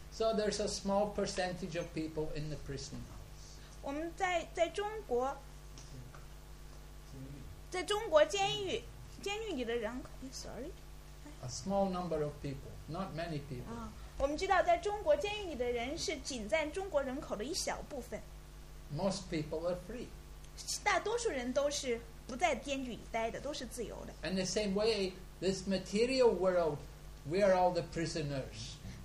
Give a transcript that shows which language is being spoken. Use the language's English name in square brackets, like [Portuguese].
[English] So there's a small percentage of people in the prison house. A small number of people, not many people. Most people are free. [Chinese] 大多数人都是不在监狱里待的，都是自由的。 [English] And the same way, this material world, we are all the prisoners.